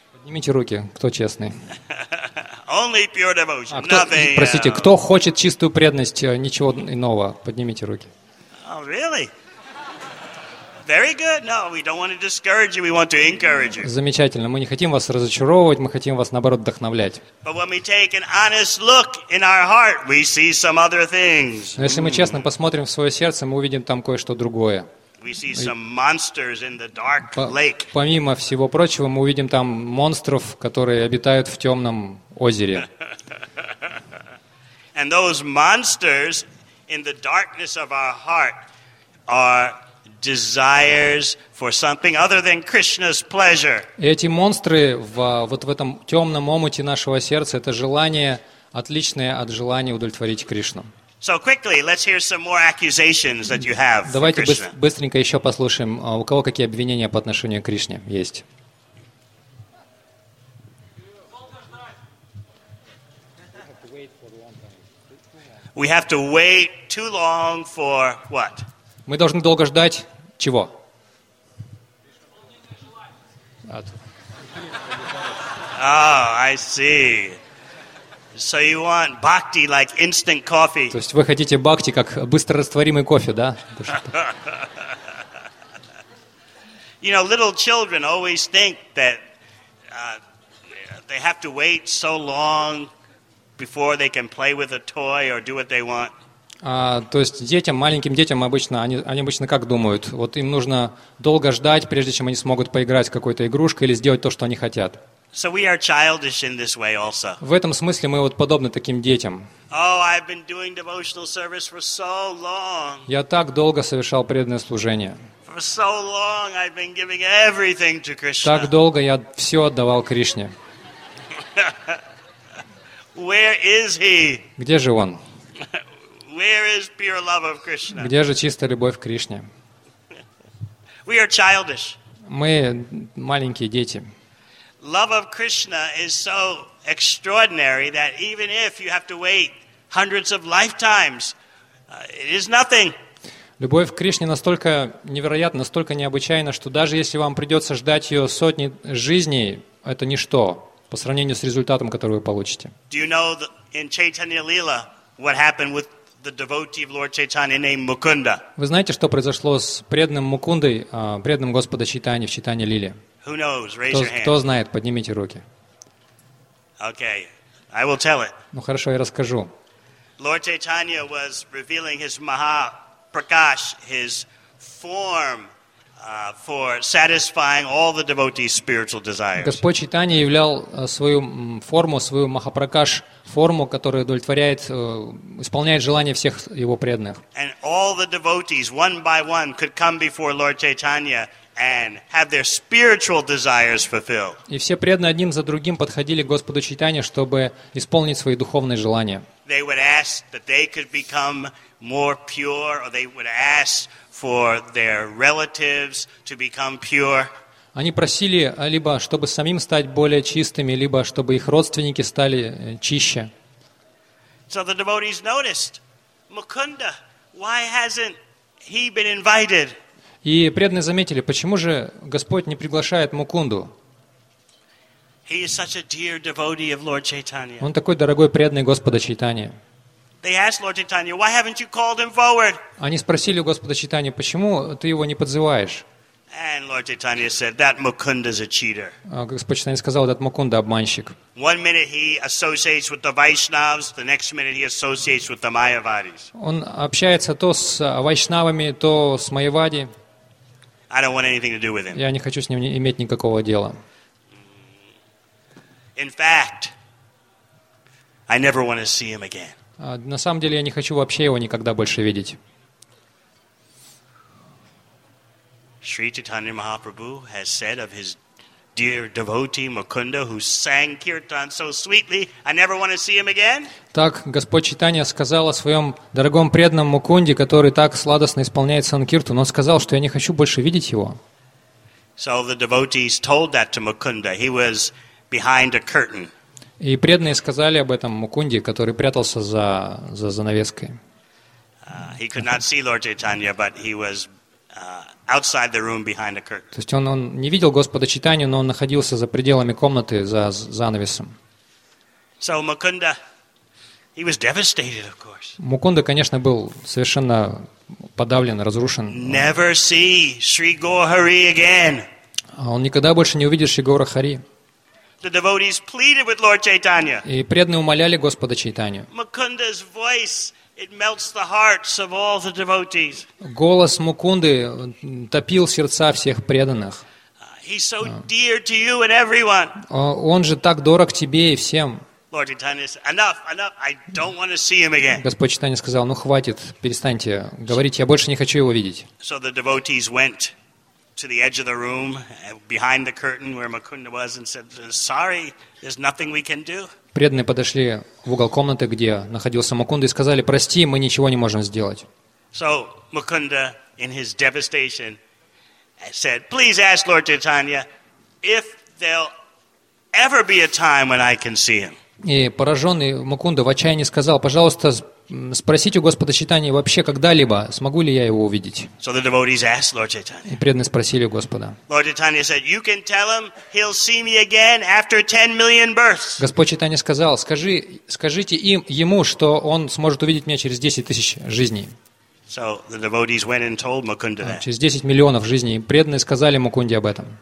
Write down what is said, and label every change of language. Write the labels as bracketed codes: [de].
[ru] Поднимите руки, кто честный. [en] Only pure devotion. [ru] А кто, простите, кто хочет чистую преданность, ничего иного? Поднимите руки. [en] Oh, really? Very good. No, we don't want to discourage you. We want to encourage you. [ru] Замечательно. Мы не хотим вас разочаровывать, мы хотим вас наоборот вдохновлять. [en] But when we take an honest look in our heart, we see some other things. [ru] Но если мы честно посмотрим в свое сердце, мы увидим там кое-что другое. [en] We see some monsters in the dark lake. [ru] Помимо всего прочего, мы увидим там монстров, которые обитают в темном озере. [en] And those monsters in the darkness of our heart are desires for something other than Krishna's pleasure. [ru] Эти монстры вот в этом темном омуте нашего сердца — это желание, отличное от желания удовлетворить Кришну. [en] So quickly, let's hear some more accusations that you have. [ru] Давайте быстренько еще послушаем, у кого какие обвинения по отношению к Кришне есть. [en] We have to wait too long for what? [ru] Мы должны долго ждать. Чего? [en] Oh, I see. So you want bhakti like instant coffee? [ru] То есть вы хотите бхакти как быстрорастворимый кофе, да? [en] You know, little children always think that they have to wait so long before they can play with a toy or do what they want. [ru] То есть детям, маленьким детям обычно, они обычно как думают? Вот им нужно долго ждать, прежде чем они смогут поиграть с какой-то игрушкой или сделать то, что они хотят. [en] So we are childish in this way also. [ru] В этом смысле мы вот подобны таким детям. [en] Oh, I've been doing devotional service for so long. [ru] Я так долго совершал преданное служение. [en] For so long I've been giving everything to Krishna. [ru] Так долго я все отдавал Кришне. [en] Where is he? [ru] Где же он? [en] Where is pure love of Krishna? [ru] Где же чистая любовь к Кришне? [en] We are childish. [ru] Мы маленькие дети. [en] Love of Krishna is so extraordinary that even if you have to wait hundreds of lifetimes, it is nothing. [ru] Любовь к Кришне настолько невероятна, настолько необычайна, что даже если вам придется ждать ее сотни жизней, это ничто по сравнению с результатом, который вы получите. [en] Do you know in Chaitanya Lila what happened with the devotee of Lord Chaitanya named Mukunda? [ru] Вы знаете, что произошло с преданным Мукундой, преданным Господа Чайтани в Чайтанья Лиле? [en] Who knows? Raise your hand. [ru] Кто знает? Поднимите руки. [en] Okay, I will tell it. [ru] Ну хорошо, я расскажу. [en] Lord Chaitanya was revealing his Mahaprakash, his form for satisfying all the devotees' spiritual desires. [ru] Господь Чайтанья являл свою форму, свою Махапракаш, форму, которая удовлетворяет, исполняет желания всех его преданных. [en] And all the devotees, one by one, could come before Lord Chaitanya and have their spiritual desires fulfilled. [ru] И все преданные одним за другим подходили к Господу Чайтанье, чтобы исполнить свои духовные желания. [en] They would ask that they could become more pure, or they would ask for their relatives to become pure. [ru] Они просили либо чтобы самим стать более чистыми, либо чтобы их родственники стали чище. [en] So the devotees noticed, Mukunda, why hasn't he been invited? [ru] И преданные заметили, почему же Господь не приглашает Мукунду? [en] He is such a dear devotee of Lord Chaitanya. [ru] Он такой дорогой преданный Господа Чайтанья. [en] They asked Lord Chaitanya, why haven't you called him forward? [ru] Они спросили у Господа Чайтанья, почему ты его не подзываешь? [en] And Lord Chaitanya said, that Mukunda is a cheater. [ru] Господь Чайтанья сказал, этот Мукунда обманщик. [en] One minute he associates with the Vaishnavas, the next minute he associates with the Mayavadis. [ru] Он общается то с Вайшнавами, то с Майявади. [en] I don't want anything to do with him. [ru] Я не хочу с ним иметь никакого дела. [en] In fact, I never want to see him again. [ru] На самом деле, я не хочу вообще его никогда больше видеть. [en] Шри Чайтанья Махапрабху has said of his dear devotee Mukunda, who sang kirtan so sweetly, I never want to see him again. [ru] Так Господь Чайтанья сказал о своем дорогом преданном Мукунде, который так сладостно исполняет санкиртан. Он сказал, что я не хочу больше видеть его. [en] So the devotees told that to Mukunda. He was behind a curtain. [ru] И преданные сказали об этом Мукунде, который прятался за занавеской. [en] He could not see Lord Chaitanya, but he was outside the room behind a curtain. [ru] То есть он не видел Господа Чайтанью, но он находился за пределами комнаты за занавесом. [en] So Mukunda, he was devastated, of course. [ru] Мукунда, конечно, был совершенно подавлен, разрушен. [en] Never see Sri Gaurahari again. [ru] Он никогда больше не увидит Шри Гаурахари. [en] The devotees pleaded with Lord Chaitanya. [ru] И преданные умоляли Господа Чайтанью. [en] Mukunda's voice, it melts the hearts of all the devotees. [ru] Голос Мукунды топил сердца всех преданных. [en] He's so dear to you and everyone. [ru] Он же так дорог тебе и всем. [en] Lord Chaitanya said, enough, I don't want to see him again. [ru] Господь Чайтанья сказал, ну хватит, перестаньте говорить, я больше не хочу его видеть. [en] So the devotees went to the edge of the room behind the curtain where Mukunda was and said, sorry, there's nothing we can do. [ru] Преданные подошли в угол комнаты, где находился Мукунда, и сказали, прости, мы ничего не можем сделать. [en] So Mukunda, in his devastation, said, please ask Lord Chaitanya if there'll ever be a time when I can see him. [ru] И пораженный Мукунда в отчаянии сказал, пожалуйста, спросить у Господа Чайтанья вообще когда-либо, смогу ли я его увидеть. [en] So the devotees asked Lord Chaitanya. [ru] И преданные спросили у Господа. [en] Lord Chaitanya said, you can tell him he'll see me again after 10 million births. [ru] Господь Чайтанья сказал, скажите ему, что он сможет увидеть меня через 10 тысяч жизней. [en] So the devotees went and told Mukunda that. [ru] Через 10 миллионов жизней. Преданные сказали Мукунде об этом.